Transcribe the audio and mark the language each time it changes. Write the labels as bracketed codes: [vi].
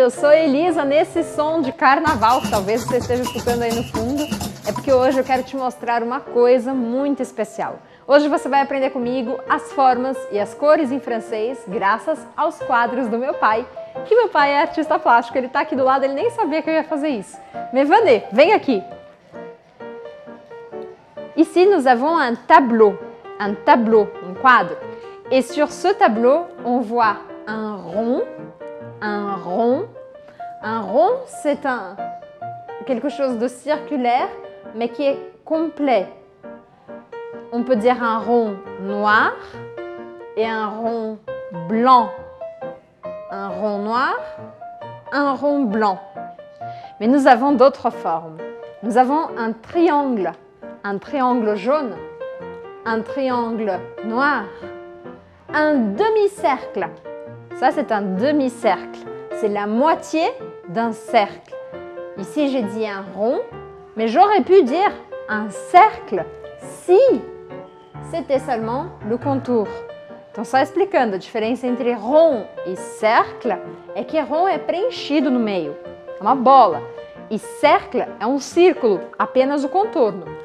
[pt] Eu sou a Elisa nesse som de carnaval, talvez você esteja escutando aí no fundo. É porque hoje eu quero te mostrar uma coisa muito especial. Hoje você vai aprender comigo as formas e as cores em francês, graças aos quadros do meu pai. Que meu pai é artista plástico, ele tá aqui do lado, ele nem sabia que eu ia fazer isso. Mevané, vem aqui. [fr] Ici nous avons un tableau, [pt] um quadro. [fr] Et sur ce tableau, on voit un rond, un rond. Un rond, c'est un quelque chose de circulaire, mais qui est complet. On peut dire un rond noir et un rond blanc. Un rond noir, un rond blanc. Mais nous avons d'autres formes. Nous avons un triangle jaune, un triangle noir. Un demi-cercle, ça c'est un demi-cercle, c'est la moitié d'un cercle. Ici j'ai dit un rond, mais j'aurais pu dire un cercle si c'était seulement le contour. [pt] Então só explicando, a diferença entre rond e cercle é que rond é preenchido no meio, é uma bola. E cercle é um círculo, apenas o contorno.